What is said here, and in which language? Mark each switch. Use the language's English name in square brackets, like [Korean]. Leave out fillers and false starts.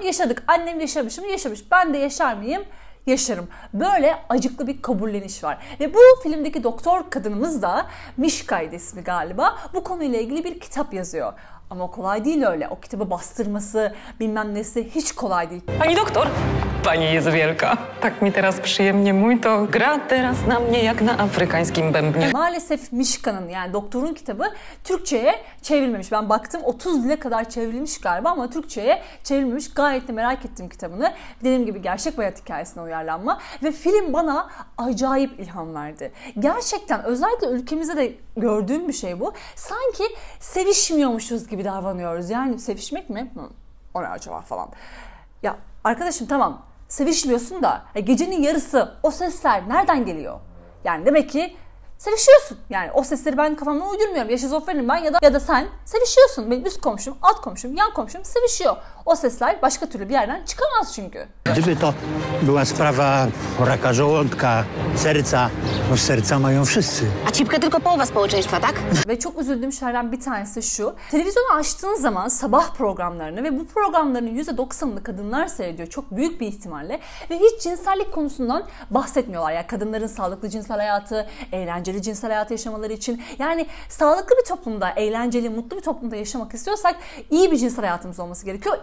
[Turkish] Yaşadık. Annem yaşamış mı? Yaşamış. Ben de yaşar mıyım? Yaşarım. Böyle acıklı bir kabulleniş var. Ve bu filmdeki doktor kadınımız da Mişka'ydı ismi galiba. Bu konuyla ilgili bir kitap yazıyor. Ama kolay değil öyle. O kitabı bastırması, bilmem nesi hiç kolay değil. [Polish] Pani doktor. Pani jest wielka. Tak mi teraz przyjemnie mój to gra teraz na mnie jak na afrykańskim bębnie. [Turkish] Maalesef Mişka'nın, yani doktorun kitabı Türkçe'ye çevrilmemiş. Ben baktım 30 dile kadar çevrilmiş galiba ama Türkçe'ye çevrilmemiş. Gayet de merak ettim kitabını. Dediğim gibi gerçek bir hayat hikayesine uyarlanma. Ve film bana acayip ilham verdi. Gerçekten özellikle ülkemizde de gördüğüm bir şey bu. Sanki sevişmiyormuşuz gibi davranıyoruz. Yani sevişmek mi? Hı, o ne acaba falan. Ya arkadaşım tamam, sevişmiyorsun da gecenin yarısı o sesler nereden geliyor? Yani demek ki sevişiyorsun. Yani o sesleri ben kafamda uydurmuyorum. Ya şizofrenim ben ya da sen sevişiyorsun. Benim üst komşum, alt komşum, yan komşum sevişiyor. O sesler başka türlü bir yerden çıkamaz çünkü. [Polish] Gdyby to była sprawa raka żołądka, serca, bo serca mają wszyscy. A cipka tylko połowa społeczeństwa, tak? [Turkish] Ve çok üzüldüğüm şeylerden bir tanesi şu. Televizyonu açtığın zaman sabah programlarını ve bu programların %90'ını kadınlar seyrediyor çok büyük bir ihtimalle. Ve hiç cinsellik konusundan bahsetmiyorlar. Yani kadınların sağlıklı cinsel hayatı, eğlenceli cinsel hayatı yaşamaları için. Yani sağlıklı bir toplumda, eğlenceli, mutlu bir toplumda yaşamak istiyorsak iyi bir cinsel hayatımız olması gerekiyor.